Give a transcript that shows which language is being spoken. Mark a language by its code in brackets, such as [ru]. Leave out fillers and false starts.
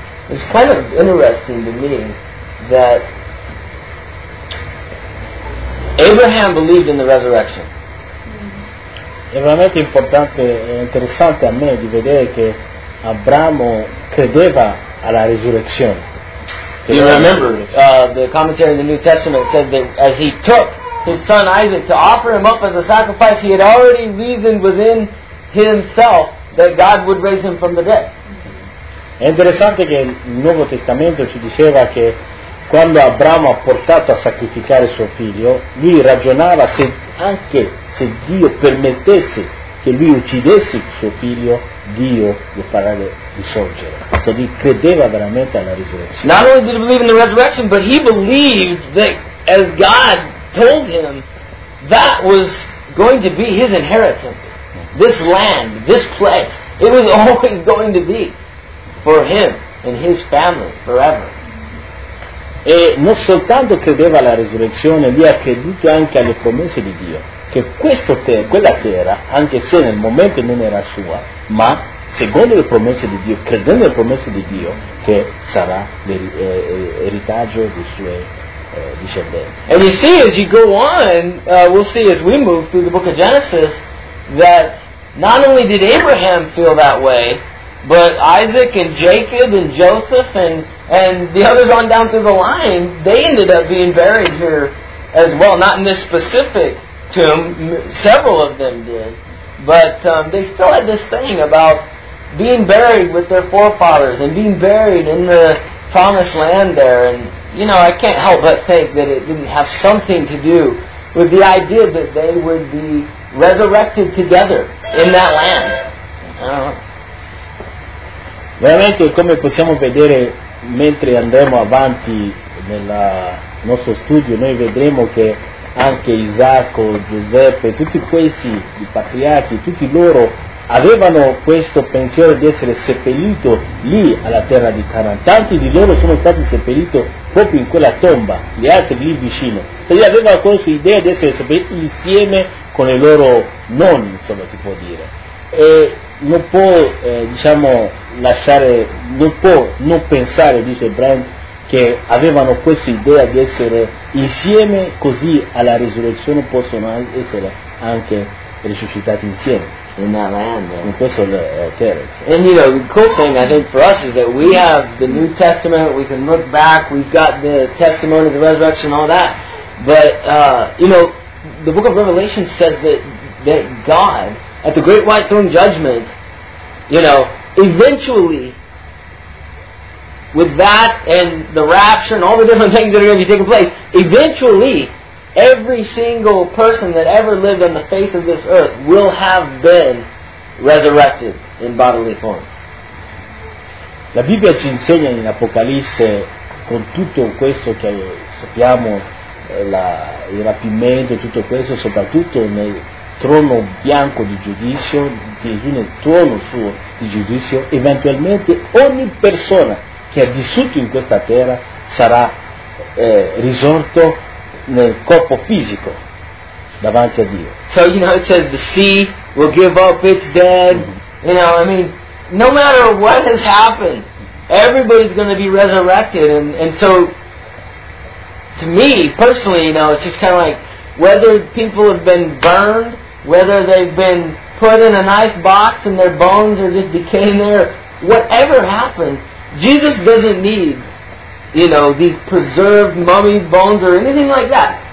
[en] It's kind of interesting to me that Abraham believed in the resurrection. [it] È veramente importante e interessante a me di vedere che Abramo credeva alla risurrezione. [en] You remember the commentary in the New Testament said that as he took his son Isaac to offer him up as a sacrifice, he had already reasoned within himself that God would raise him from the dead. [it] È interessante che il Nuovo Testamento ci diceva che quando Abramo ha portato a sacrificare suo figlio, lui ragionava se anche se Dio permettesse che lui uccidesse suo figlio, Dio lo farà risorgere. Cioè lui credeva veramente alla risurrezione. [en] Not only did he believe in the resurrection, but he believed that as God told him, that was going to be his inheritance. This land, this place, it was always going to be for him and his family forever. [it] E non soltanto credeva alla risurrezione, lui ha creduto anche alle promesse di Dio, che questa terra, quella terra, anche se nel momento non era sua, ma secondo le promesse di Dio, credendo alle promesse di Dio, che sarà l'eritaggio dei suoi discendenti. [en] And you see as you go on, we'll see as we move through the book of Genesis, that not only did Abraham feel that way, but Isaac and Jacob and Joseph and the others on down through the line, they ended up being buried here as well. Not in this specific tomb, several of them did. But they still had this thing about being buried with their forefathers and being buried in the promised land there. And, you know, I can't help but think that it didn't have something to do with the idea that they would be resurrected together in that land. [it] Veramente, come possiamo vedere mentre andremo avanti nel nostro studio, noi vedremo che anche Isacco, Giuseppe, tutti questi patriarchi, tutti loro avevano questo pensiero di essere seppellito lì alla terra di Canaan. Tanti di loro sono stati seppelliti proprio in quella tomba, gli altri lì vicino. Quindi avevano questa idea di essere seppelliti insieme con i loro nonni, insomma, si può dire. E non può, diciamo, lasciare, non può non pensare, dice Brand, che avevano questa idea di essere insieme, così alla risurrezione possono essere anche risuscitati insieme. [en] In that land, though. [it] In questo terra. [en] And you know, the cool thing I think for us is that we have the New Testament, we can look back, we've got the testimony of the resurrection and all that. But, you know, the book of Revelation says that God, at the great white throne judgment, you know, eventually, with that and the rapture and all the different things that are going to be taking place, eventually, every single person that ever lived on the face of this earth will have been resurrected in bodily form. [it] La Bibbia ci insegna in Apocalisse, con tutto questo che sappiamo, il rapimento, tutto questo, soprattutto nel trono bianco di giudizio, Gesù nel trono suo di giudizio, eventualmente ogni persona che ha vissuto in questa terra sarà risorto nel corpo fisico davanti a Dio. [en] So you know it says the sea will give up its dead. Mm-hmm. You know, I mean, no matter what has happened, everybody's going to be resurrected, and so to me personally, you know, it's just kind of like whether people have been burned, whether they've been put in a nice box and their bones are just decaying there, whatever happens, Jesus doesn't need, you know, these preserved mummy bones or anything like that.